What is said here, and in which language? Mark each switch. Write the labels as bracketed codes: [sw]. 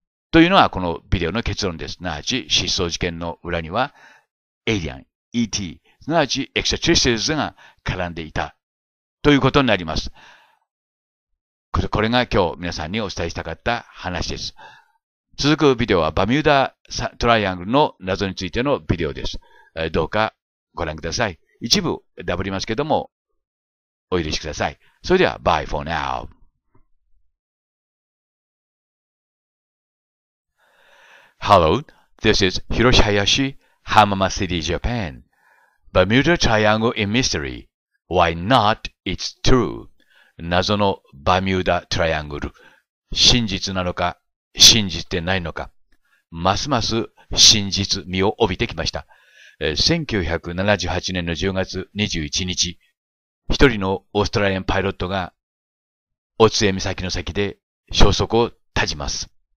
[ja] というのはこのビデオの結論です。すなわち、失踪事件の裏には、エイリアン、ET、すなわちエクサチュリシーズが絡んでいたということになります。これが今日皆さんにお伝えしたかった話です。続くビデオはバミューダトライアングルの謎についてのビデオです。どうかご覧ください。一部ダブりますけども、お許しください。 [en] それでは、Bye for now! Hello, this is Hiroshi Hayashi, Hamama City, Japan. Bermuda Triangle in Mystery. Why not? It's true. [ja] 謎のバミューダトライアングル。真実なのか、真実でないのか。ますます真実味を帯びてきました。1978年の10月21日、一人のオーストラリアンパイロットが、オツエ岬の先で消息を絶ちます。